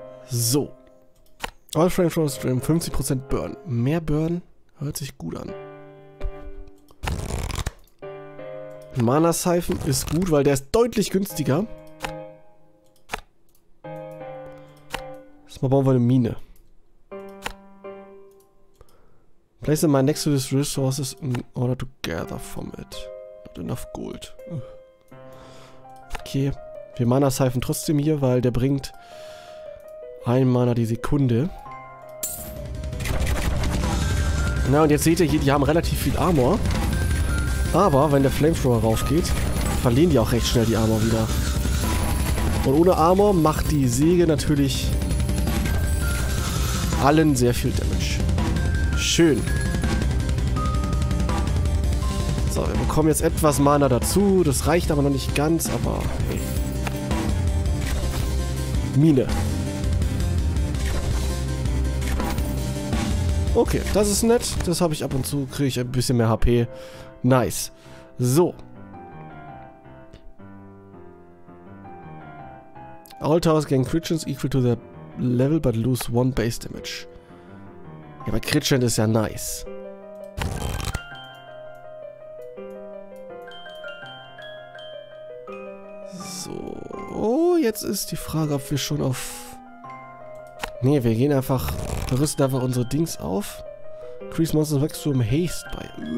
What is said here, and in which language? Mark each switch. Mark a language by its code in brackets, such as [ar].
[en] So. All Frame Flow Stream, 50% Burn. [de] Mehr Burn hört sich gut an. Mana Siphon ist gut, weil der ist deutlich günstiger. Erstmal bauen wir eine Mine. [en] Place a mine next to this resources in order to gather from it. Not enough gold. [de] Okay, wir Mana Siphon trotzdem hier, weil der bringt ein Mana die Sekunde. Na und jetzt seht ihr hier, die haben relativ viel Armor. Aber wenn der Flamethrower raufgeht, verlieren die auch recht schnell die Armor wieder. Und ohne Armor macht die Säge natürlich allen sehr viel Damage. Schön. So, wir bekommen jetzt etwas Mana dazu. Das reicht aber noch nicht ganz, aber hey. Mine. Okay, das ist nett. Das habe ich ab und zu, kriege ich ein bisschen mehr HP. [en] Nice. So. All towers gain crit chance equal to their level but lose one base damage. [de] Ja, aber crit chance ist ja nice. So. Oh, jetzt ist die Frage, ob wir schon auf. Nee, wir gehen einfach. Wir rüsten einfach unsere Dings auf. [en] Increase Monsters Maximum Haste [de] bei.